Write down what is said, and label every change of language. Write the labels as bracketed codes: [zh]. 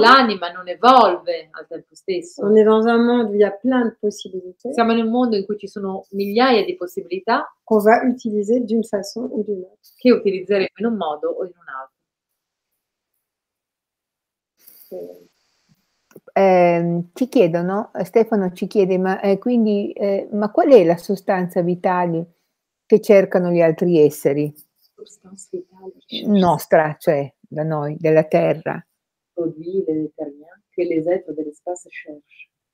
[it] l'anima non evolve al tempo stesso. [fr] On est dans un monde où il y a plein de possibilités. [it] Siamo in un mondo in cui ci sono migliaia di possibilità. [fr] Qu'on va utiliser d'une façon ou d'une autre. [it] Che utilizzeremo in un modo o in un altro. Ci chiedono, Stefano ci chiede, ma qual è la sostanza vitale che cercano gli altri esseri? Sostanza vitale? Nostra, cioè, da noi, della Terra. [fr] Che les êtres de l'espace cherchent.